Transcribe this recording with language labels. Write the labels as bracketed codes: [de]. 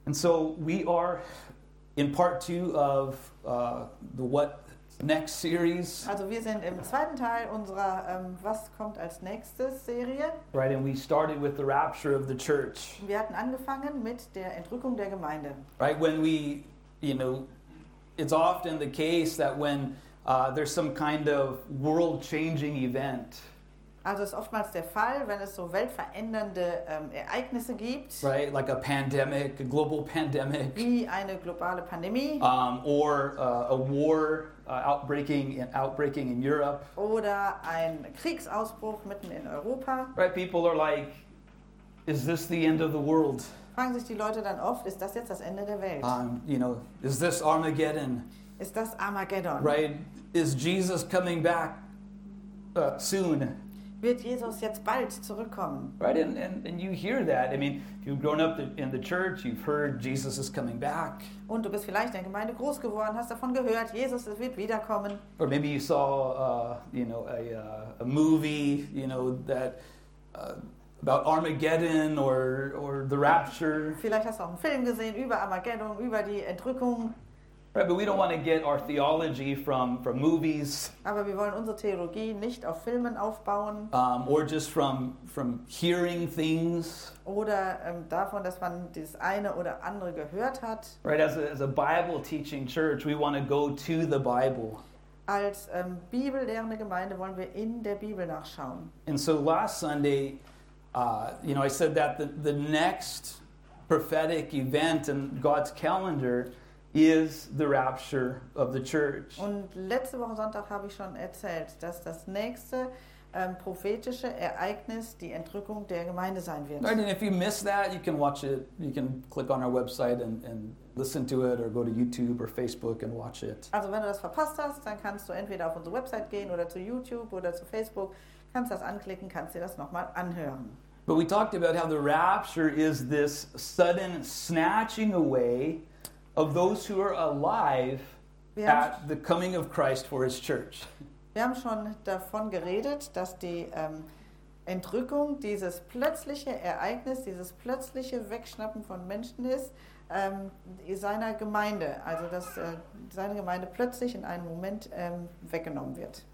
[en] And so we are in part two of the What Next series. [de] Also wir sind im zweiten Teil unserer Was kommt als nächstes Serie. [en] Right, and we started with the rapture of the church. [de] Wir hatten angefangen mit der Entrückung der Gemeinde. [en] Right, when we, you know, it's often the case that when there's some kind of world-changing event. [de] Also ist oftmals der Fall, wenn es so weltverändernde Ereignisse gibt. [en] Right, like a pandemic, a global pandemic. [de] Wie eine globale Pandemie. [en] Or a war outbreaking in Europe. [de] Oder ein Kriegsausbruch mitten in Europa. [en] Right, people are like, is this the end of the world? [de] Fragen sich die Leute dann oft, ist das jetzt das Ende der Welt? [en] You know, is this Armageddon? [de] Ist das Armageddon? [en] Right, is Jesus coming back soon? [de] Wird Jesus jetzt bald zurückkommen? [en] Right, and you hear that. I mean, if you've grown up in the church, you've heard Jesus is coming back. [de] Und du bist vielleicht in der Gemeinde groß geworden, hast davon gehört, Jesus wird wiederkommen. [en] Or maybe you saw, a movie, you know, that about Armageddon or the rapture. [de] Vielleicht hast du auch einen Film gesehen über Armageddon, über die Entrückung. [en] Right, but we don't want to get our theology from movies. [de] Aber wir wollen unsere Theologie nicht auf Filmen aufbauen. [en] Or just from hearing things. [de] Oder davon, dass man das eine oder andere gehört hat. [en] Right, as a Bible teaching church, we want to go to the Bible. [de] Als bibellehrende Gemeinde wollen wir in der Bibel nachschauen. [en] And so last Sunday, I said that the next prophetic event in God's calendar is the rapture of the church. [de] Und letzte Woche Sonntag habe ich schon erzählt, dass das nächste prophetische Ereignis die Entrückung der Gemeinde sein wird. [en] Right, and if you miss that, you can watch it. You can click on our website and listen to it, or go to YouTube or Facebook and watch it. [de] Also wenn du das verpasst hast, dann kannst du entweder auf unsere Website gehen oder zu YouTube oder zu Facebook, kannst das anklicken, kannst dir das nochmal anhören. [en] But we talked about how the rapture is this sudden snatching away of those who are alive at the coming of Christ for his church. [de] Wir haben schon davon geredet, dass die Entrückung dieses plötzliche Ereignis, dieses plötzliche Wegschnappen von Menschen ist, seiner Gemeinde, also dass seine Gemeinde plötzlich in einem Moment weggenommen wird.